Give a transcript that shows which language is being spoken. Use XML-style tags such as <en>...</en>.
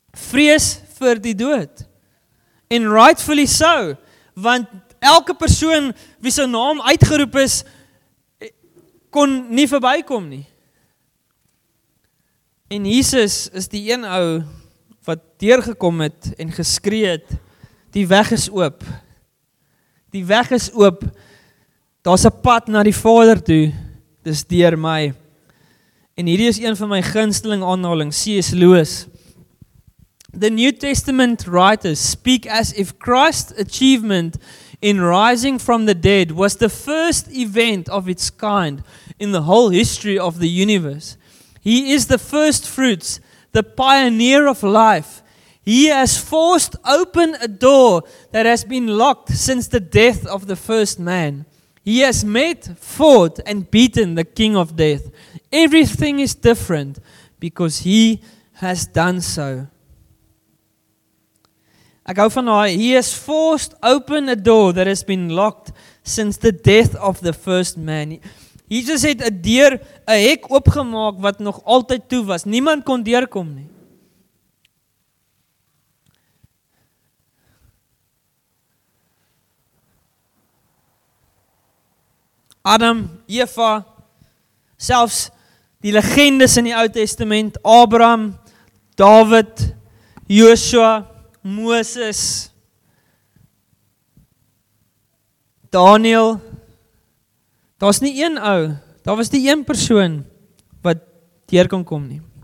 <af>Vrees vir die dood. En</af> <en>rightfully so,</en> <af>want elke persoon wie se naam uitgeroep is, kon nie verbykom nie. En Jesus is die een ou wat deurgekom het en geskree het, die weg is oop. Die weg is oop, daar's 'n pad na die Vader toe, dis deur my. En hierdie is een van my gunsteling aanhalings, C.S. Lewis.</af> <en>The New Testament writers speak as if Christ's achievement in rising from the dead was the first event of its kind in the whole history of the universe. He is the first fruits, the pioneer of life. He has forced open a door that has been locked since the death of the first man. He has met, fought, and beaten the king of death. Everything is different because he has done so.</en> <af>Ek hou van daai.</af> <en>He has forced open a door that has been locked since the death of the first man.</en> <af>Jesus het 'n deur, 'n hek oopgemaak wat nog altyd toe was. Niemand kon deurkom nie. Adam, Eva, selfs die legendes in die Ou Testament, Abraham, David, Joshua, Moses, Daniel, daar was nie een ou, daar was die een persoon wat deur kon kom nie.</af>